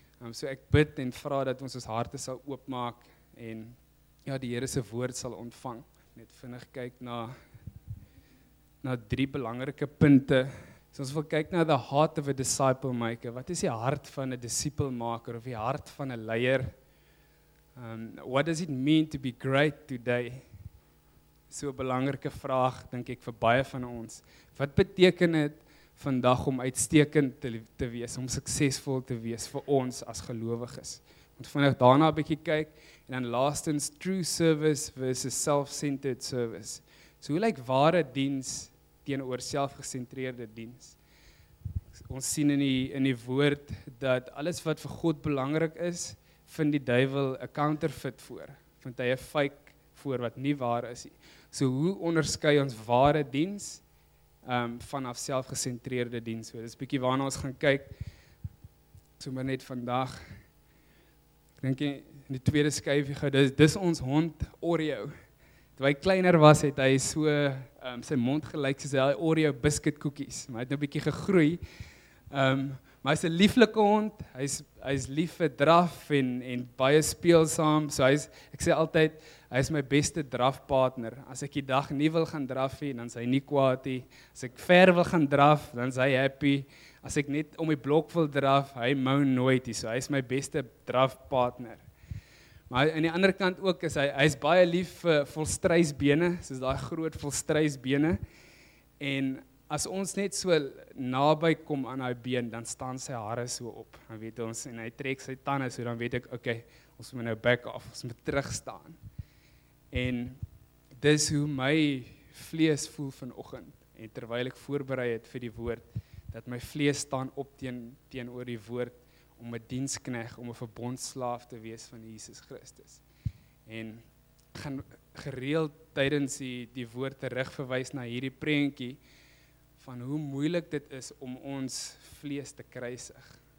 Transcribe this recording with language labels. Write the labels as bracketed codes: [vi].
[af] So ek bid en vra dat ons harte sal oopmaak en ja, die Here se woord sal ontvang. Net vinnig kyk na drie belangrike punte. So ons wil kyk na [en] the heart of a disciple maker. [af] Wat is die hart van 'n disipelmaker of die hart van 'n leier? [en] What does it mean to be great today? [af] So 'n belangrike vraag, dink ek, vir baie van ons. Wat beteken dit vandag om uitstekend te wees, om suksesvol te wees vir ons as gelowiges? Ons vinnig daarna 'n bietjie kyk en dan laastens [en] true service versus self-centered service. [af] So hoe lyk ware diens teenoor selfgesentreerde diens? Ons sien in die woord dat alles wat vir God belangrik is, vind die duivel 'n counterfeit voor, vind hy 'n fake voor wat nie waar is nie. So hoe onderskei ons ware diens vanaf selfgesentreerde diens? So, dis bietjie waarna ons gaan kyk sommer net vandag. Ek dink in die tweede skyfie gou, dis ons hond Oreo. Toe hy kleiner was, het hy so sy mond gelyk soos hy Oreo biscuit koekies, maar hy het nou bietjie gegroei. Maar hy's 'n lieflike hond. Hy's lief vir draf en baie speelsaam. So ek sê altyd hy is my beste drafpartner. As ek die dag nie wil gaan draffie, dan is hy nie kwaad nie. As ek ver wil gaan draf, dan is hy happy. As ek net om die blok wil draf, hy mou nooit nie. So hy is my beste drafpartner. Maar aan die ander kant ook, is hy is baie lief vir volstruisbene, soos daai groot volstruisbene. En as ons net so naby kom aan hy been, dan staan sy hare so op. Dan weet ons, en hy trek sy tande, so dan weet ek, okay, ons moet nou back off, ons moet terugstaan. En dis hoe my vlees voel vanoggend. En terwyl ek voorberei het vir die woord, dat my vlees staan op teenoor die woord om 'n dienskneg, om 'n verbondslaaf te wees van Jesus Christus. En gaan gereeld tydens die woord terugverwys na hierdie prentjie van hoe moeilik dit is om ons vlees te kruisig.